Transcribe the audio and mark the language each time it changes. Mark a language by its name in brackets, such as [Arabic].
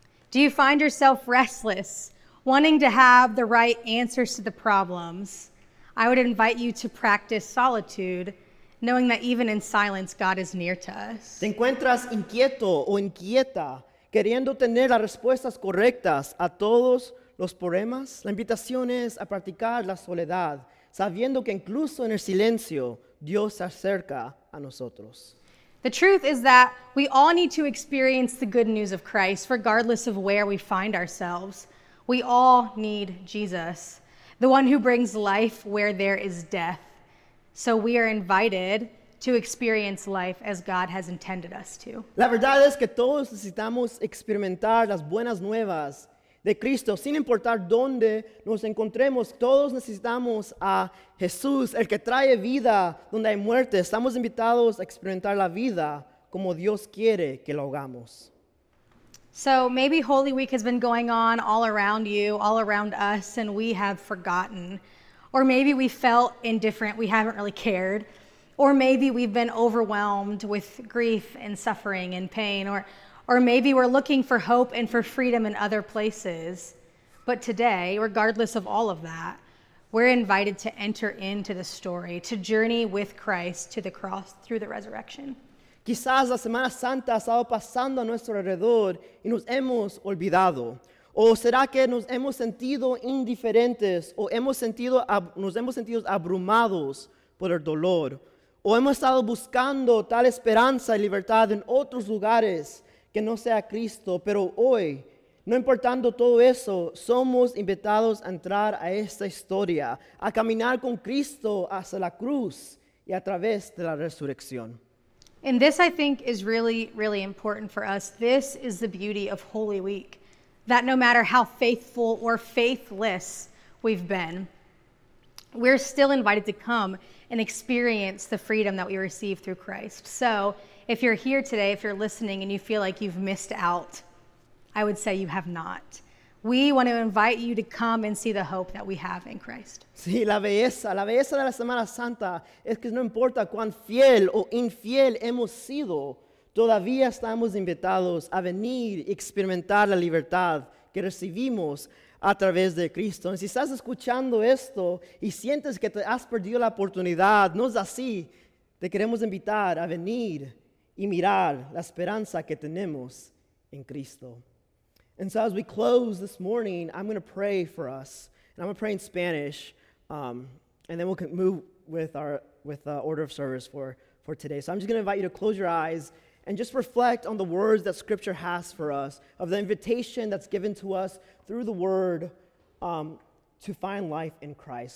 [English] Do you find yourself restless, wanting to have the right answers to the problems? I would invite you to practice solitude, knowing that even in silence, God is near to us. [Spanish] ¿Te encuentras inquieto o inquieta, queriendo tener las respuestas correctas a todos los problemas? La invitación es a practicar la soledad, sabiendo que incluso en el silencio, Dios se acerca a nosotros. [English] The truth is that we all need to experience the good news of Christ, regardless of where we find ourselves. We all need Jesus, the one who brings life where there is death. So we are invited to experience life as God has intended us to. [Spanish] La verdad es que todos necesitamos experimentar las buenas nuevas de Cristo, sin importar dónde nos encontremos. Todos necesitamos a Jesús, el que trae vida donde hay muerte. Estamos invitados a experimentar la vida como Dios quiere que lo hagamos. [English] So maybe Holy Week has been going on all around you, all around us, and we have forgotten. Or maybe we felt indifferent, we haven't really cared. Or maybe we've been overwhelmed with grief and suffering and pain. Or maybe we're looking for hope and for freedom in other places. But today, regardless of all of that, we're invited to enter into the story, to journey with Christ to the cross through the resurrection. [Spanish] Quizás la Semana Santa ha estado pasando a nuestro alrededor y nos hemos olvidado. ¿O será que nos hemos sentido indiferentes o nos hemos sentido abrumados por el dolor? ¿O hemos estado buscando tal esperanza y libertad en otros lugares que no sea Cristo? Pero hoy, no importando todo eso, somos invitados a entrar a esta historia, a caminar con Cristo hacia la cruz y a través de la resurrección. [English] And this, I think, is really, really important for us. This is the beauty of Holy Week, that no matter how faithful or faithless we've been, we're still invited to come and experience the freedom that we receive through Christ. So if you're here today, if you're listening and you feel like you've missed out, I would say you have not. We want to invite you to come and see the hope that we have in Christ. [Spanish] Sí, la belleza de la Semana Santa es que no importa cuán fiel o infiel hemos sido, todavía estamos invitados a venir y experimentar la libertad que recibimos a través de Cristo. Y si estás escuchando esto y sientes que te has perdido la oportunidad, no es así. Te queremos invitar a venir y mirar la esperanza que tenemos en Cristo. [English] And so as we close this morning, I'm going to pray for us. And I'm going to pray in Spanish, and then we'll move with the order of service for today. So I'm just going to invite you to close your eyes and just reflect on the words that Scripture has for us, of the invitation that's given to us through the Word to find life in Christ.